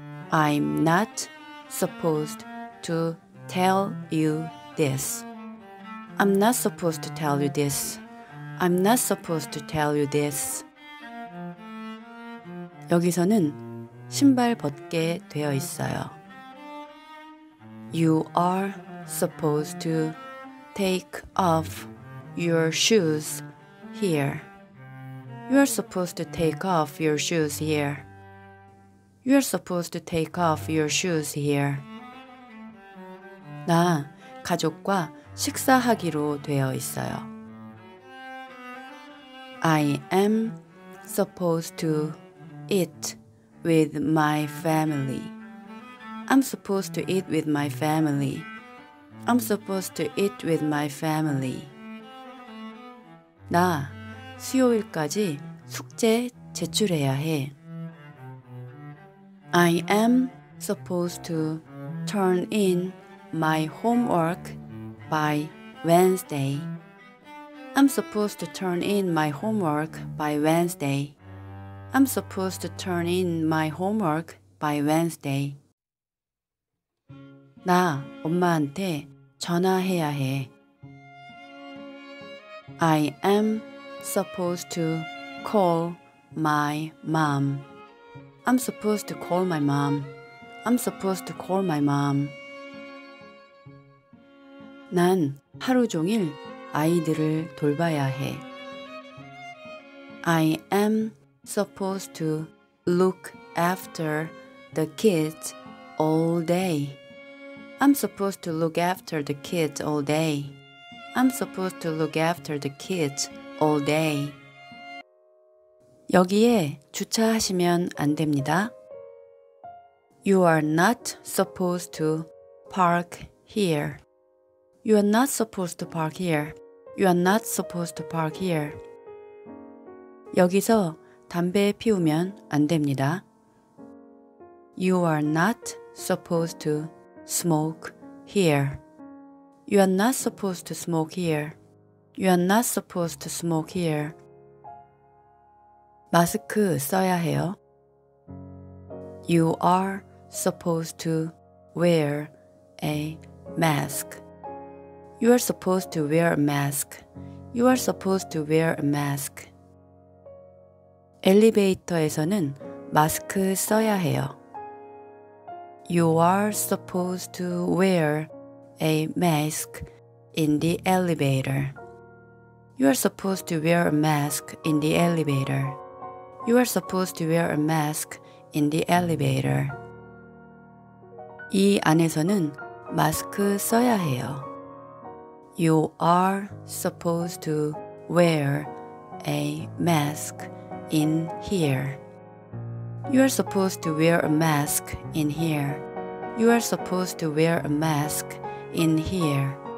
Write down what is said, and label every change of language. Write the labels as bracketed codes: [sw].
[en] I'm not supposed to tell you this. I'm not supposed to tell you this. I'm not supposed to tell you this. [ko] 여기서는 신발 벗게 되어 있어요. [en] You are supposed to take off your shoes here. You are supposed to take off your shoes here. You are supposed to take off your shoes here. [ko] 나 가족과 식사하기로 되어 있어요. [en] I am supposed to eat with my family. I'm supposed to eat with my family. I'm supposed to eat with my family. [ko] 나 수요일까지 숙제 제출해야 해. [en] I am supposed to turn in my homework by Wednesday. I'm supposed to turn in my homework by Wednesday. I'm supposed to turn in my homework by Wednesday. [ko] 나 엄마한테 전화해야 해. [en] I am supposed to call my mom. I'm supposed to call my mom. I'm supposed to call my mom. [ko] 난 하루 종일 아이들을 돌봐야 해. [en] I am supposed to look after the kids all day. I'm supposed to look after the kids all day. I'm supposed to look after the kids all day. [ko] 여기에 주차하시면 안 됩니다. [en] You are not supposed to park here. You are not supposed to park here. You are not supposed to park here. [ko] 여기서 담배 피우면 안 됩니다. [en] You are not supposed to smoke here. You are not supposed to smoke here. You are not supposed to smoke here. [ko] 마스크 써야 해요. [en] You are supposed to wear a mask. You are supposed to wear a mask. You are supposed to wear a mask. [ko] 엘리베이터에서는 마스크 써야 해요. [en] You are supposed to wear a mask in the elevator. You are supposed to wear a mask in the elevator. You are supposed to wear a mask in the elevator. [ko] 이 안에서는 마스크 써야 해요. [en] You are supposed to wear a mask in here. You are supposed to wear a mask in here. You are supposed to wear a mask in here.